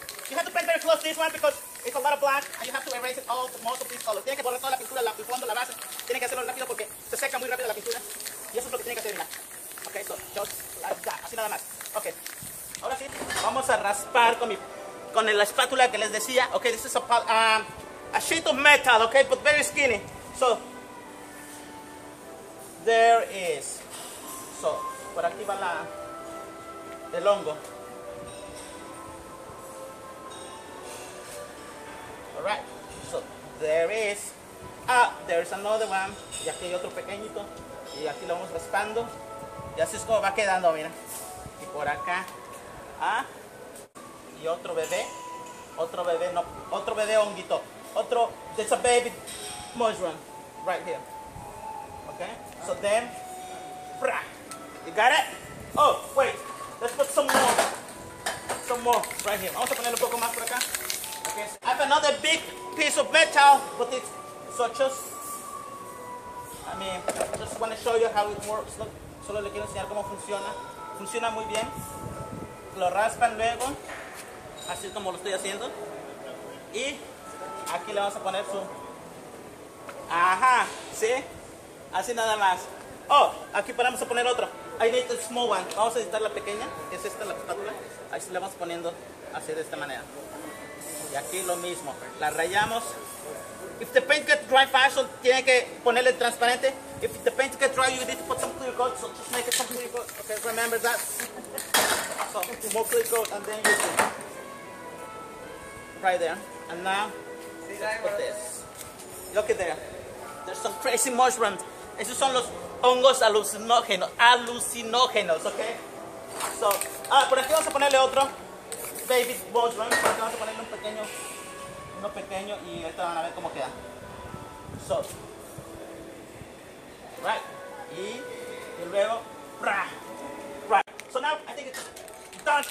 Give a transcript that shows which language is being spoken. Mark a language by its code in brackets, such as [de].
[en] You have to paint very close this one because it's a lot of black and you have to erase it all, most of these colors. [es] Tienes que borrar toda la pintura, la fondo, la base. Tienes que hacerlo rápido porque se seca muy rápido la pintura. Y eso es lo que tienes que hacer, mira. [en] Okay, so just like that, [es] así nada más. Okay, ahora sí, vamos a raspar con mi, con la espátula que les decía. [en] Okay, this is a sheet of metal, okay, but very skinny. So, there is. [es] So, por aquí va la, el hongo. [en] Alright, so there is, there's another one, [es] y aquí hay otro pequeñito, y aquí lo vamos raspando, y así es como va quedando, mira, y por acá, y otro bebé honguito, otro, [en] there's a baby mushroom, right here, okay, so then, you got it? Oh, wait, let's put some more, right here, [es] vamos a ponerle un poco más por acá. [en] I have another big piece of metal, but it's so just want to show you how it works. [es] Solo le quiero enseñar cómo funciona. Funciona muy bien. Lo raspan luego, así como lo estoy haciendo. Y aquí le vamos a poner su. Ajá, ¿sí? Así nada más. Oh, aquí vamos a poner otro. [en] I need the small one. [es] Vamos a editar la pequeña, que es esta la espátula. Ahí se la vamos poniendo así de esta manera. Y aquí lo mismo, la rayamos. [en] If the paint gets dry fast, so [es] tiene que ponerle transparente. [en] If the paint gets dry, you need to put some clear coat, so just make it some clear coat. Okay, remember that. So, more clear coat, and then you can. Right there. And now, let's put this. Look at there. There's some crazy mushrooms. [es] Esos son los hongos alucinógenos. Alucinógenos, okay? So, por aquí vamos a ponerle otro. Baby boss, vamos a ponerle uno pequeño y esto van a ver cómo queda. [en] So, right, [es] y luego, [en] right. So now, I think it's done.